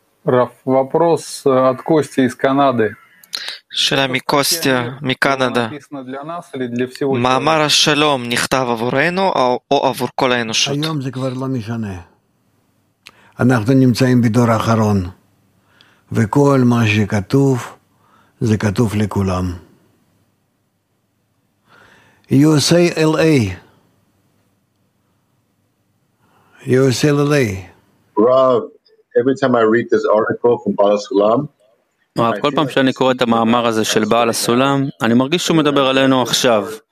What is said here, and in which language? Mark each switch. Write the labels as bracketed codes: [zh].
[ru] Раф, вопрос от Кости из Канады. [he] שאלה מקוסטיה, מקנדה. מאמר השלום נכתב עבורנו או עבור כל האנושות? היום זה כבר לא משנה. אנחנו נמצאים בדור האחרון, וכל מה שכתוב, זה כתוב לכולם. USALA. USALA. [en] Rav, every time I read this article from Baal HaSulam, [he] רב, כל פעם שאני קורא את המאמר הזה של בעל הסולם, אני מרגיש שהוא מדבר עלינו עכשיו.